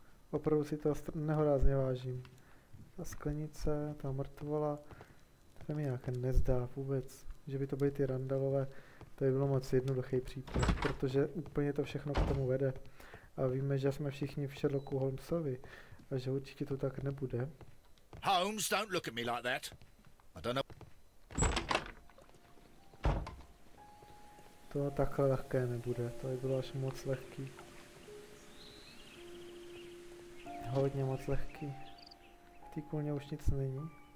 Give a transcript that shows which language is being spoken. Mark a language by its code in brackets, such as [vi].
[cs] Opravdu si to nehorázně vážím. Ta sklenice, ta mrtvola. To se mi nějak nezdá vůbec. Že by to byly ty randalové. To by bylo moc jednoduchý případ. Protože úplně to všechno k tomu vede. A víme, že jsme všichni v Sherlocku Holmesovi. A že určitě to tak nebude. [en] Holmes, don't look at me like that. I don't know. [cs] To takhle lehké nebude, to by bylo až moc lehký. Hodně moc lehký. V té kulně už nic není.